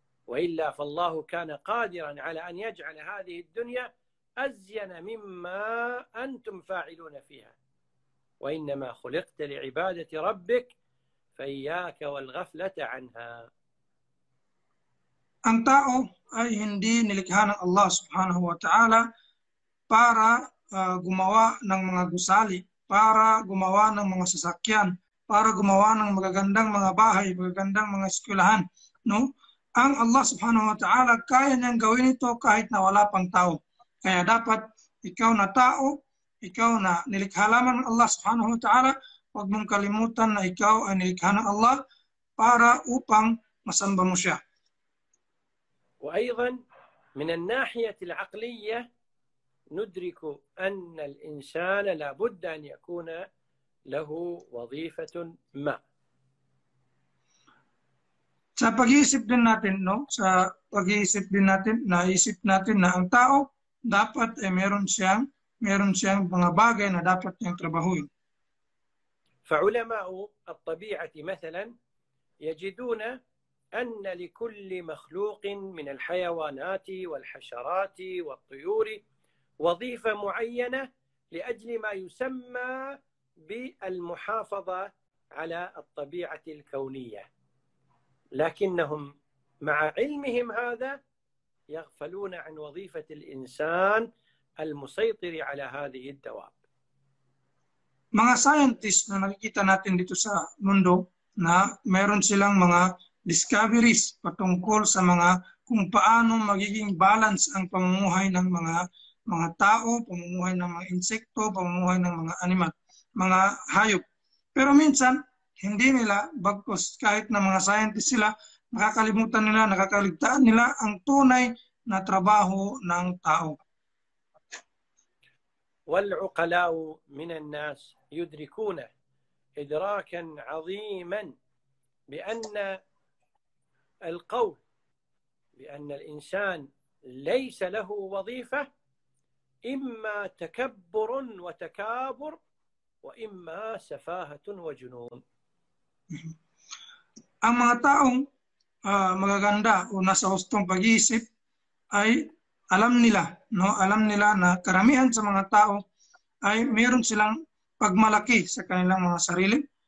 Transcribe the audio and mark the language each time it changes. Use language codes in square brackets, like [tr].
[ar] وإلا فالله كان قادرا على أن يجعل هذه الدنيا أزين مما أنتم فاعلون فيها وإنما خلقت لعبادة ربك فإياك والغفلة عنها. [tl] Ang tao ay hindi nilikha ng Allah subhanahu wa ta'ala para gumawa ng mga gusali, para gumawa ng mga sasakyan, para gumawa ng magagandang mga bahay, magagandang mga eskwelahan, no? Ang Allah subhanahu wa ta'ala kaya niyang gawin ito kahit na wala pang tao. Kaya dapat ikaw na tao, ikaw na nilikha lamang ng Allah subhanahu wa ta'ala, huwag mong kalimutan na ikaw ay nilikha ng Allah para upang masamba mo siya. [ar] وأيضا من الناحية العقلية ندرك أن الإنسان لا بد أن يكون له وظيفة ما. [tl] Sa pag-iisip din natin, no? Sa pag-iisip din natin, naisip natin na ang tao dapat ay meron siyang mga bagay na dapat niyang trabahuin. [ar] فعلماء الطبيعة مثلا يجدون أن لكل مخلوق من الحيوانات والحشرات والطيور وظيفة معينة لأجل ما يسمى بالمحافظة على الطبيعة الكونية، لكنهم مع علمهم هذا يغفلون عن وظيفة الإنسان المسيطر على هذه الدواب. [tl] Mga scientists na nakikita natin dito sa mundo na mayroon silang mga discoveries patungkol sa mga kung paano magiging balance ang pamumuhay ng mga tao, pamumuhay ng mga insekto, pamumuhay ng mga animal, mga hayop. Pero minsan, hindi nila, bagkus kahit na mga scientist sila, nakakalimutan nila, nakakaligtaan nila ang tunay na trabaho ng tao. [ar] Wal'uqala'u minan nas yudrikuna idrakan aziman bi'anna القول بأن الإنسان ليس له وظيفة إما تكبر وتكابر وإما سفاهة وجنون. [tl] Ang mga taong magaganda o nasa hustong pag-iisip ay alam nila, no? Alam nila na karamihan sa mga tao ay meron silang pagmalaki sa kanilang mga sarili.